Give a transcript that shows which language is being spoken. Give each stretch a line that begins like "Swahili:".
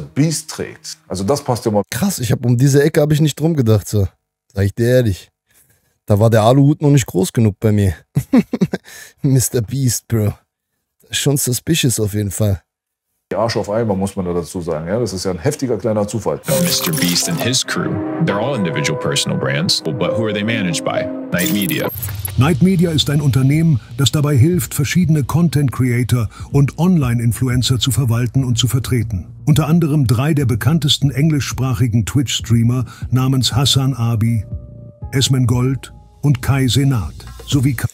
German: Beast trägt. Also das passt ja mal. Krass, ich habe um diese Ecke habe ich nicht drum gedacht. So. Sag ich dir ehrlich. Da war der Aluhut noch nicht groß genug bei mir. Mr. Beast, Bro. Schon suspicious auf jeden Fall. Die Arsch auf einmal, muss man da dazu sagen. Ja, das ist ja ein heftiger kleiner Zufall.
English: Mr. Beast and his crew, they're all individual personal brands, but who are they managed by? Knight Media.
German: Knight Media ist ein Unternehmen, das dabei hilft, verschiedene Content-Creator und Online-Influencer zu verwalten und zu vertreten. Unter anderem drei der bekanntesten englischsprachigen Twitch-Streamer namens Hassan Abi, Esmen Gold und Kai Senat, sowie